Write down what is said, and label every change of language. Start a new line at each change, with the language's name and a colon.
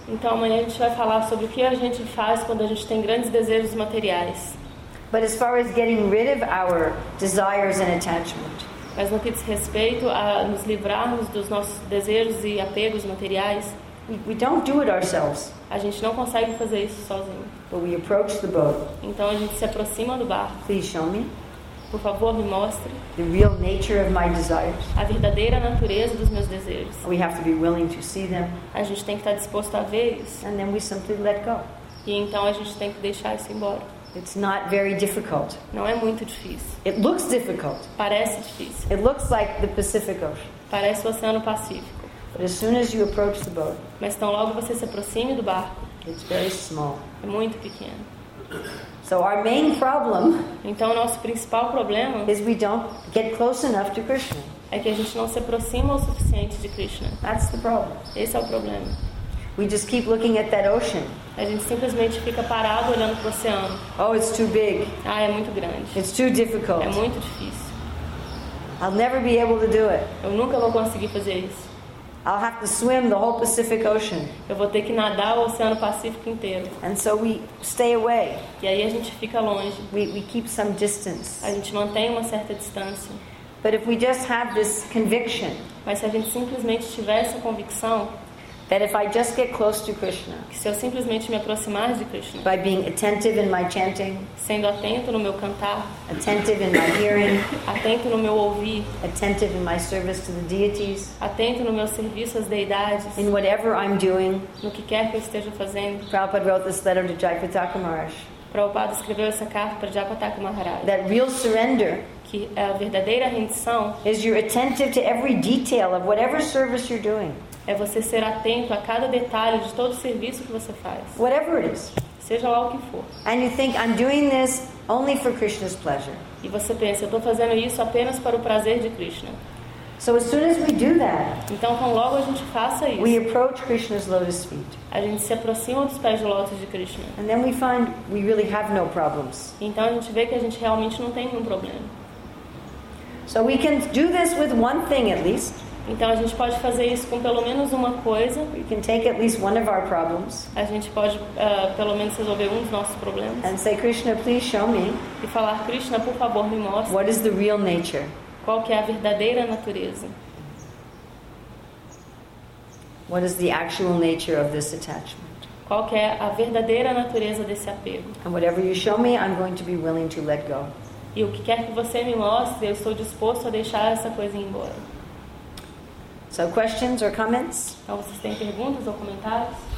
Portuguese: Então amanhã a gente vai falar sobre o que a gente faz quando a gente tem grandes desejos materiais.
English: But as far as getting rid of our desires and attachment.
Portuguese: Mas no que diz respeito a nos livrarmos dos nossos desejos e apegos materiais,
English: we don't do it ourselves.
Portuguese: A gente não consegue fazer isso sozinho.
English: But we approach the boat.
Portuguese: Então a gente se aproxima do barco.
English: Please show me.
Portuguese: Por favor, me mostre.
English: The real nature of my desires.
Portuguese: A verdadeira natureza dos meus desejos.
English: We have to be willing to see them.
Portuguese: A gente tem que estar disposto a ver isso.
English: And then we simply let go.
Portuguese: E então a gente tem que deixar isso embora.
English: It's not very difficult.
Portuguese: Não é muito difícil.
English: It looks difficult.
Portuguese: Parece difícil.
English: It looks like the Pacific Ocean.
Portuguese: Parece o Oceano Pacífico.
English: But as soon as you approach the boat,
Portuguese: mas tão logo você se aproxime do barco,
English: it's very small.
Portuguese: É muito pequeno.
English: So our main problem,
Portuguese: então nosso principal problema,
English: is we don't get close enough to Krishna.
Portuguese: É que a gente não se aproxima o suficiente de Krishna.
English: That's the problem.
Portuguese: Esse é o problema.
English: We just keep looking at that ocean.
Portuguese: A gente simplesmente fica parado olhando para o oceano.
English: Oh, it's too big.
Portuguese: Ah, é muito grande.
English: It's too difficult.
Portuguese: É muito difícil.
English: I'll never be able to do it.
Portuguese: Eu nunca vou conseguir fazer isso.
English: I'll have to swim the whole Pacific Ocean.
Portuguese: Eu vou ter que nadar o Oceano Pacífico inteiro.
English: And so we stay away.
Portuguese: E aí a gente fica longe.
English: We keep some distance.
Portuguese: A gente mantém uma certa distância.
English: But if we just have this conviction,
Portuguese: mas se a gente simplesmente tiver essa convicção,
English: that if I just get close to Krishna,
Portuguese: que se eu simplesmente me aproximar de Krishna,
English: by being attentive in my chanting,
Portuguese: sendo atento no meu cantar,
English: attentive in my hearing,
Portuguese: atento no meu ouvir,
English: attentive in my service to the deities,
Portuguese: atento no meu serviço às deidades,
English: in whatever I'm doing,
Portuguese: no que quer que eu esteja fazendo,
English: Prabhupada wrote this letter to Jayapataka Maharaj.
Portuguese: Prabhupada escreveu essa carta para Jayapataka Maharaj.
English: That real surrender,
Portuguese: que é a verdadeira rendição,
English: is you're attentive to every detail of whatever service you're doing.
Portuguese: É você ser atento a cada detalhe de todo o serviço que você faz.
English: Whatever it is.
Portuguese: Seja lá o que for.
English: And you think, I'm doing this only for Krishna's pleasure.
Portuguese: E você pensa, eu estou fazendo isso apenas para o prazer de Krishna.
English: So as soon as we do that,
Portuguese: então, tão logo a gente faça isso,
English: we approach Krishna's lotus feet.
Portuguese: A gente se aproxima dos pés de lótus de Krishna.
English: And then we find we really have no problems.
Portuguese: Então a gente vê que a gente realmente não tem nenhum problema.
English: So we can do this with one thing at least.
Portuguese: Então a gente pode fazer isso com pelo menos uma coisa.
English: We can take at least one of our problems.
Portuguese: A gente pode pelo menos resolver um dos nossos problemas.
English: And say, Krishna, please show me.
Portuguese: E falar, Krishna, por favor, me mostre.
English: What is the real nature?
Portuguese: Qual que é a verdadeira natureza?
English: What is the actual nature of this attachment?
Portuguese: Qual que é a verdadeira natureza desse apego?
English: And whatever you show me, I'm going to be willing to let go.
Portuguese: E o que quer que você me mostre, eu estou disposto a deixar essa coisa ir embora.
English: So questions or comments?
Portuguese: Então, vocês têm perguntas ou comentários?